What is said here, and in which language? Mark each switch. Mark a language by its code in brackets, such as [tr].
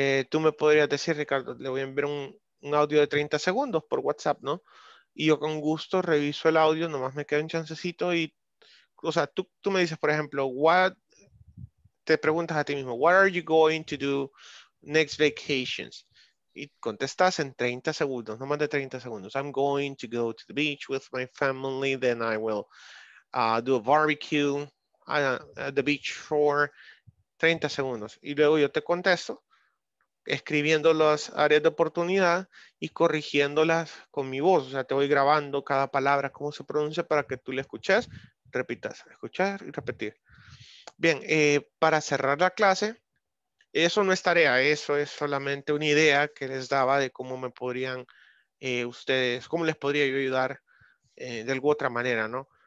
[es] Tú me podrías decir, Ricardo, le voy a enviar un audio de 30 segundos por WhatsApp, ¿no? Y yo con gusto reviso el audio, nomás me queda un chancecito y, o sea, tú me dices, por ejemplo, what, te preguntas a ti mismo, [en] what are you going to do next vacations? [es] Y contestas en 30 segundos, no más de 30 segundos. [en] I'm going to go to the beach with my family, then I will do a barbecue at the beach shore. [es] 30 segundos. Y luego yo te contesto escribiendo las áreas de oportunidad y corrigiéndolas con mi voz. O sea, te voy grabando cada palabra, cómo se pronuncia para que tú le escuches, repitas, escuchar y repetir. Bien, para cerrar la clase... Eso no es tarea, eso es solamente una idea que les daba de cómo me podrían ustedes, cómo les podría yo ayudar de alguna otra manera, ¿no?